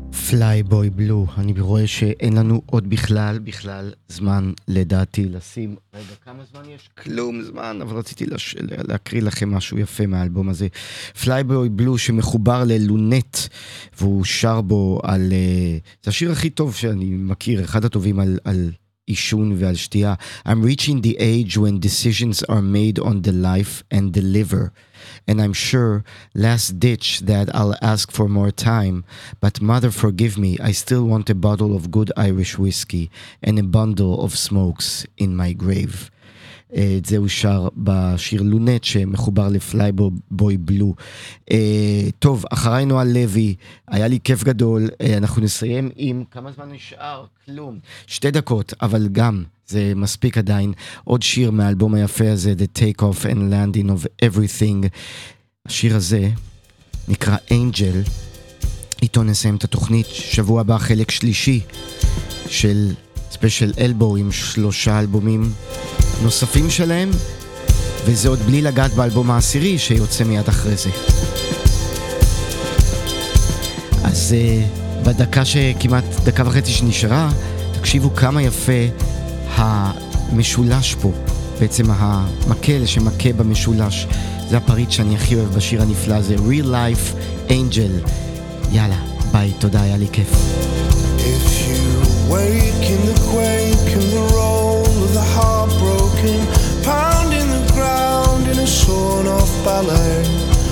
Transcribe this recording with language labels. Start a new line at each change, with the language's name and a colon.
Hebrew: פליי בוי בלו, אני רואה שאין לנו עוד בכלל זמן לדעתי לשים, רגע כמה זמן יש? כלום זמן, אבל רציתי להקריא לכם משהו יפה מהאלבום הזה. פליי בוי בלו שמחובר ללונט, והוא שר בו על, זה השיר הכי טוב שאני מכיר, אחד הטובים על, על עישון ועל שתייה.
English: I'm reaching the age when decisions are made on the life and the liver. And I'm sure, last ditch that I'll ask for more time. But mother, forgive me, I still want a bottle of good Irish whiskey and a bundle of smokes in my grave.
Hebrew: את זה הוא שר בשיר לונט שמחובר לפליי בוי בלו. טוב, אחריי נועה לוי, היה לי כיף גדול. אנחנו נסיים עם, כמה זמן נשאר? כלום. שתי דקות, אבל גם זה מספיק עדיין. עוד שיר מהאלבום היפה הזה, The Take Off and Landing of Everything. השיר הזה נקרא Angel. איתו נסיים את התוכנית. שבוע הבא חלק שלישי של ספשייל אלבו עם שלושה אלבומים נוספים שלהם, וזה עוד בלי לגעת באלבום העשירי שיוצא מיד אחרי זה. אז בדקה שכמעט דקה וחצי שנשארה, תקשיבו כמה יפה המשולש פה, בעצם המקל שמכה במשולש, זה הפריט שאני הכי אוהב בשיר הנפלא הזה, Real Life Angel. יאללה ביי, תודה, היה לי כיף.
English: If you wake in the quake and the roll of the heartbroken, pounding the ground in a sawn-off ballet.